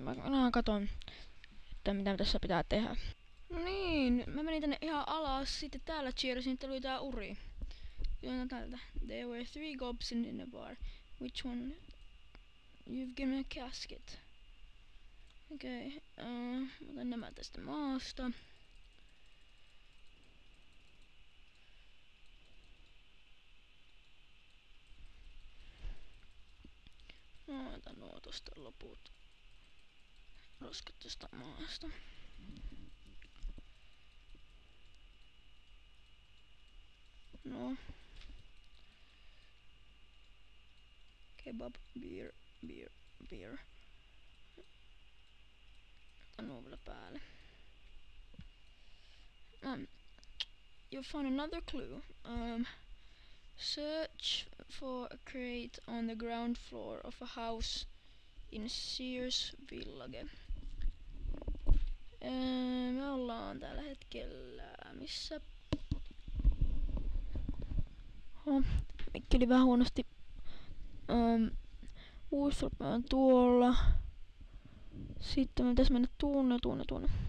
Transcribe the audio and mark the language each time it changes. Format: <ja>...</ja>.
<fi>Mä katon, että mitä tässä pitää tehdä. No niin, mä menin tänne ihan alas, sitten täällä cheerasin, että tuli tää uri. Joo, täältä.</fi> <en>There were three goblins in the bar. Which one? You've given a casket.</en> <fi>Okei, otan nämä tästä maasta. No, otan nuo tosta loput. Roskat tästä maasta. No.</fi> <en>Kebab, beer.</en> <fi>Otan nuo vielä päälle.</fi> <en>You found another clue. Search for a crate on the ground floor of a house in Sears Village.</en> <fi>Me ollaan tällä hetkellä missä. Mikki oli vähän huonosti. Uusrop on tuolla. Sitten me pitäisi mennä tuonne.</fi>